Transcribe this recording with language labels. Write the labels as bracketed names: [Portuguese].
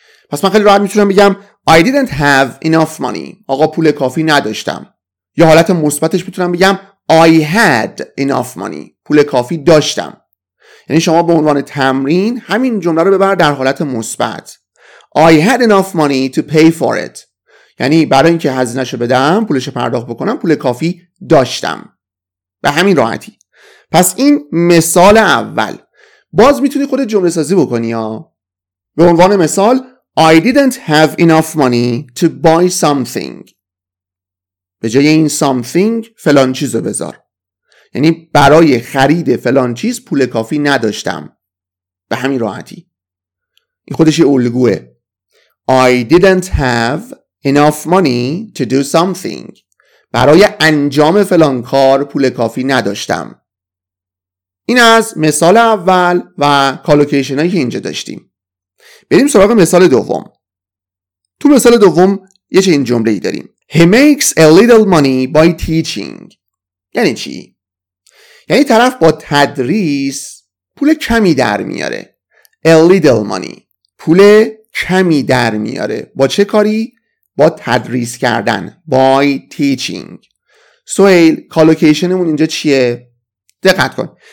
[Persian] پس من خیلی راحت میتونم بگم [English] I didn't have enough money. [Persian] آقا پول کافی نداشتم. یا حالت مثبتش میتونم بگم [English] I had enough money. [Persian] پول کافی داشتم. یعنی شما به عنوان تمرین همین جمله رو ببر در حالت مثبت. [English] I had enough money to pay for it. [Persian] یعنی برای اینکه هزینه‌شو بدم، پولشو پرداخت بکنم، پول کافی داشتم. به همین راحتی. پس این مثال اول. باز میتونی خود جمله سازی بکنی یا به عنوان مثال [English] I didn't have enough money to buy something. [Persian] به جای این something فلان چیزو بذار. یعنی برای خرید فلان چیز پول کافی نداشتم. به همین راحتی. این خودش یه الگوه. [English] I didn't have enough money to do something. [Persian] برای انجام فلان کار پول کافی نداشتم. این از مثال اول و کالوکیشن هایی که اینجا داشتیم. بریم سراغ مثال دوم. تو مثال دوم یه چنین جمله‌ای داریم. [English] He makes a little money by teaching. [Persian] یعنی چی؟ یعنی طرف با تدریس پول کمی در میاره. [English] A little money. [Persian] پول کمی در میاره. با چه کاری؟ با تدریس کردن. [English] By teaching. [Persian] سوهیل، کالوکیشنمون اینجا چیه؟ دقت کن.